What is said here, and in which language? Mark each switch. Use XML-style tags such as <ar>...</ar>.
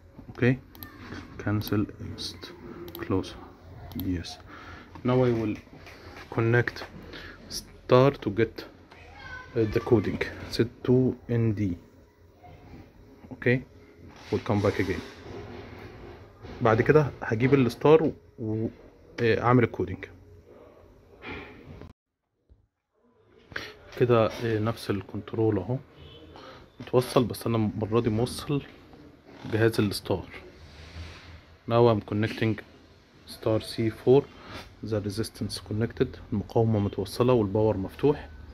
<en>Okay, cancel, list, close, yes. Now I will connect star to get the coding, set to ND. Okay, we'll come back again.</en> <ar>بعد كده هجيب الستار واعمل الكودينج. كده نفس الكنترول اهو متوصل، بس انا المرة دي موصل جهاز الستار.</ar> <en>Now I'm connecting star C4. The resistance connected.</en> <ar>المقاومة متوصلة والباور مفتوح.</ar>